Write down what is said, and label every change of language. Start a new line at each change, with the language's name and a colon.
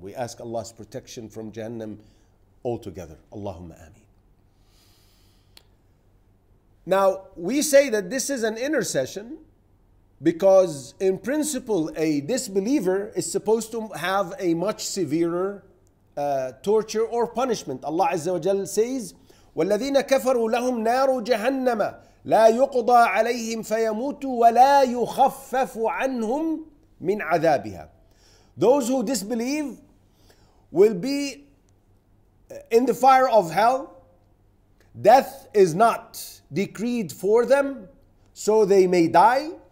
English: We ask Allah's protection from Jahannam altogether. Allahumma ameen. Now, we say that this is an intercession because in principle, a disbeliever is supposed to have a much severer torture or punishment. Allah Azza wa Jal says,
Arabic: وَالَّذِينَ كَفَرُوا لَهُمْ نَارُ جَهَنَّمَ لَا يُقْضَى عَلَيْهِمْ فَيَمُوتُوا وَلَا يُخَفَّفُ عَنْهُمْ مِنْ عَذَابِهَا.
English: Those who disbelieve will be in the fire of hell. Death is not decreed for them, so they may die.